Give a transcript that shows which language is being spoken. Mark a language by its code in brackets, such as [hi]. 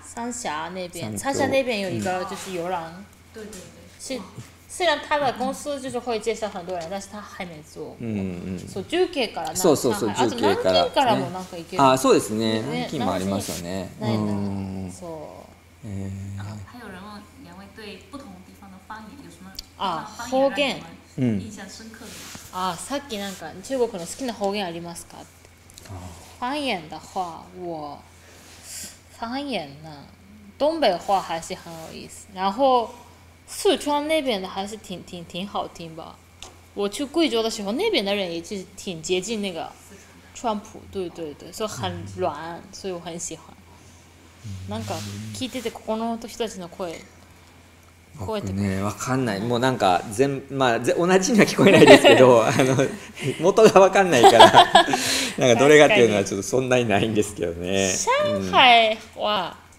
[zh] 三峡那边，三峡那边有一个就是游廊。对对对。是，虽然他的公司就是会介绍很多人，但是他还没坐过。 [ja] そう、重慶から、そうそうそう、重慶から。あと南京からもなんか行ける。あ、そうですね。南京もありますよね。ないな。そう。 [zh] 还有人问两位对不同地方的方言有什么？ [ja] あ、方言。 [zh] 印象深刻的。 [ja] あ、さっきなんか中国の好きな方言ありますか？ [zh] 方言的话，我方言呢，东北话还是很有意思。然后。四川那边的还是挺好听吧，我去贵州的时候，那边的人也是挺接近那个川普，对对对，所以很软，所以我很喜欢。 [ja] なんか聞いててここの人たちの声。僕ね、わかんない。もうなんか全、まあ、同じには聞こえないですけど、あの元がわかんないから、なんかどれがっていうのはちょっとそんなにないんですけどね。上海は、